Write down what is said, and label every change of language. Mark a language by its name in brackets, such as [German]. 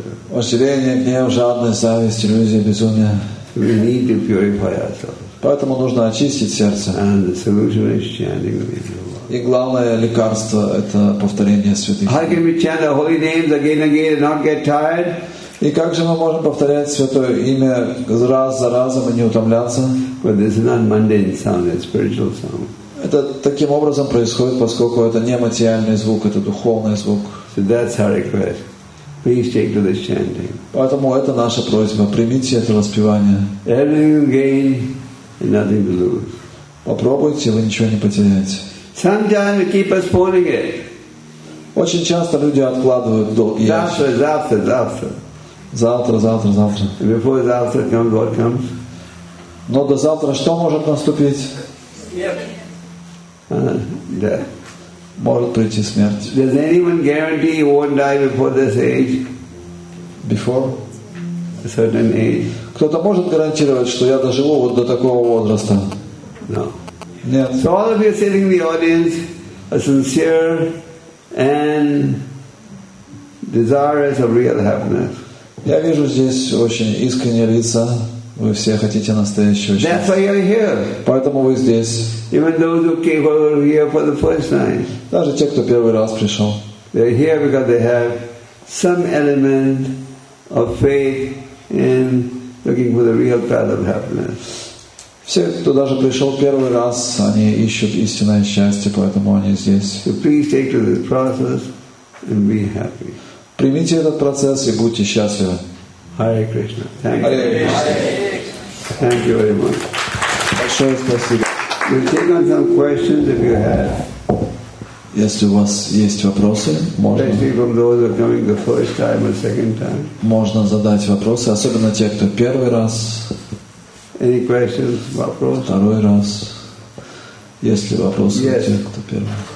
[Russian] Вожделение, гнев, жадность, зависть, иллюзия, безумие. [English] We need to purify ourselves. [Russian] Поэтому нужно очистить сердце. [English] And the solution is chanting the name. [Russian] И главное лекарство — это повторение святых. [English] How can we chant the holy names again and again and not get tired? [Russian] И как же мы можем повторять святое имя раз за разом и не утомляться? [English] But this is not mundane sound, it's spiritual sound. [Russian] Это таким образом происходит, поскольку это не материальный звук, это духовный звук. [English] So that's our request. Please take to this chanting. [Russian] Поэтому это наша просьба. Примите это воспевание. [English] Everything you gain and nothing to lose. [Russian] Попробуйте, вы ничего не потеряете. [English] Sometimes we keep postponing it. [Russian] Очень часто люди откладывают долги. Завтра, завтра, завтра. Завтра, завтра, завтра. [English] And before завтра comes, what comes? [Russian] Но до завтра что может наступить? Смерть. [English] Death. [Russian] Может прийти смерть. [English] Does anyone guarantee you won't die before this age? Before? A certain age. [Russian] Кто-то может гарантировать, что я доживу вот до такого возраста? [English] No. [Russian] Нет. [English] So all of you sitting in the audience are sincere and desirous of real happiness. [Russian] Я вижу здесь очень искренние лица. Вы все хотите настоящего счастья. [English] That's why you're here. [Russian] Поэтому вы здесь. [English] Even those who came here for the first time. [Russian] Даже те, кто первый раз пришел. [English] They're here because they have some element of faith in looking for the real path of happiness. [Russian] Все, кто даже пришел первый раз, они ищут истинное счастье, поэтому они здесь. [English] So please take to this process and be happy. [Russian] Примите этот процесс и будьте счастливы. [English] Hare Krishna. Thank you. Hare Krishna. Thank you very much. [Russian] Большое спасибо. [English] We'll take on some questions if you have. [Russian] Если у вас есть вопросы, можно задать вопросы, особенно те, кто первый раз, второй раз. Есть ли вопросы у тех, кто первый?